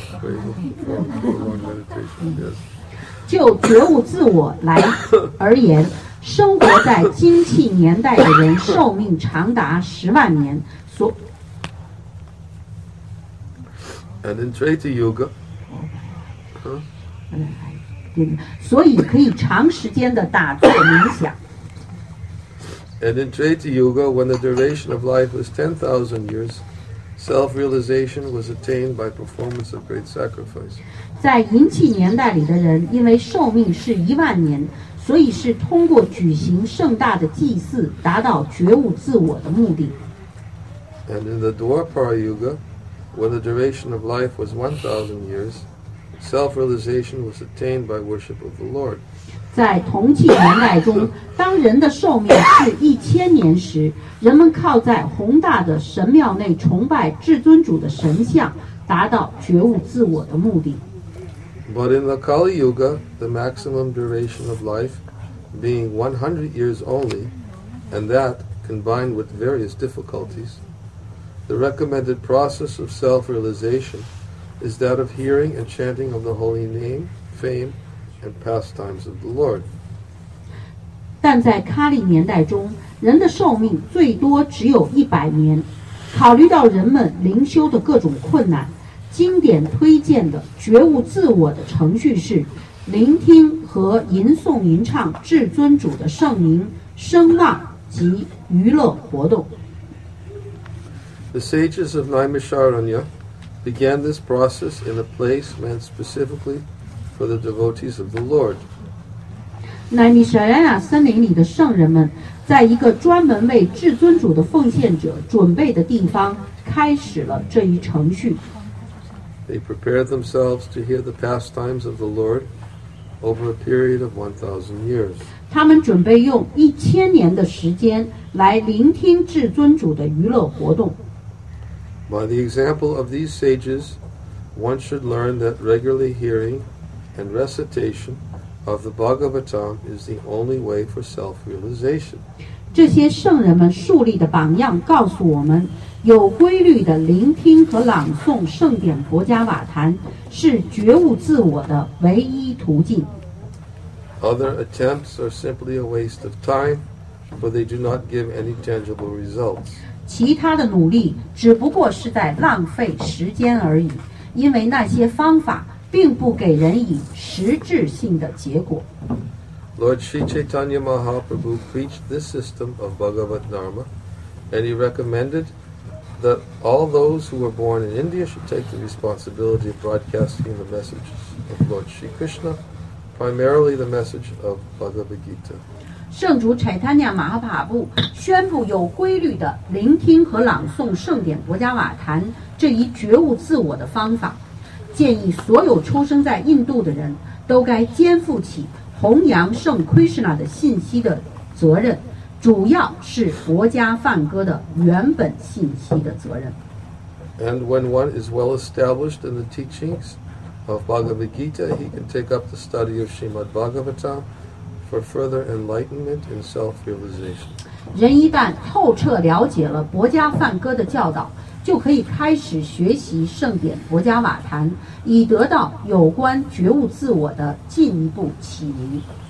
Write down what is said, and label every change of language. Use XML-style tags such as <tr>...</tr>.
<en>Were able to perform prolonged meditation. Yes.</en> <zh>就觉悟自我来而言，生活在金器年代的人寿命长达10万年，所。</zh> <en>And in Treta Yuga, huh?</en> <zh>所以可以长时间的打坐冥想。</zh> <en>And in Treta Yuga, when the duration of life was 10,000 years, self-realization was attained by performance of great sacrifice.</en> <zh>在银器年代里的人，因为寿命是10,000年，所以是通过举行盛大的祭祀，达到觉悟自我的目的。</zh> <en>And in the Dwapara Yuga,when the duration of life was 1,000 years, self-realization was attained by worship of the Lord.</en> <zh>在铜器年代中，当人的寿命是1,000年时，人们靠在宏大的神庙内崇拜至尊主的神像，达到觉悟自我的目的。</zh> <en>But in the Kali Yuga, the maximum duration of life being 100 years only, and that combined with various difficulties,the recommended process of self-realization is that of hearing and chanting of the holy name, fame, and pastimes of the Lord.</en> <zh>但在喀利年代中，人的寿命最多只有100年。考虑到人们灵修的各种困难，经典推荐的觉悟自我的程序是：聆听和吟诵吟唱至尊主的圣名、声浪及娱乐活动。</zh> <en>The sages of Naimisharanya began this process in a place meant specifically for the devotees of the Lord.</en> <zh>Naimisharanya 森林里的圣人们在一个专门为至尊主的奉献者准备的地方开始了这一程序。</zh> <en>They prepared themselves to hear the pastimes of the Lord over a period of 1,000 years.</en> <zh>他们准备用1,000年的时间来聆听至尊主的娱乐活动。</zh> <en>By the example of these sages, one should learn that regularly hearing and recitation of the Bhagavatam is the only way for self-realization.</en> <zh>这些圣人们树立的榜样告诉我们，有规律的聆听和朗诵圣典《博伽瓦坛》是觉悟自我的唯一途径。</zh> <en>Other attempts are simply a waste of time, for they do not give any tangible results.</en> <zh>其他的努力只不过是在浪费时间而已，因为那些方法并不给人以实质性的结果。</zh> <en>Lord Sri Chaitanya Mahaprabhu preached this system of Bhagavad Dharma, and he recommended that all those who were born in India should take the responsibility of broadcasting the message of Lord Sri Krishna, primarily the message of Bhagavad Gita.</en> <zh>圣主柴塔尼亚马哈帕布宣布有规律的聆听和朗诵圣典博伽瓦坛这一觉悟自我的方法，建议所有出生在印度的人都该肩负起弘扬圣 Krishna 的信息的责任，主要是国家梵歌的原本信息的责任。</zh> <en>And when one is well established in the teachings of Bhagavad Gita, he can take up the study of Srimad Bhagavatam for further enlightenment and self-realization.</en> <zh>人一旦透彻了解了薄伽梵歌的教导，就可以开始学习圣典薄伽瓦坛，以得到有关觉悟自我的进一步启迪。</zh>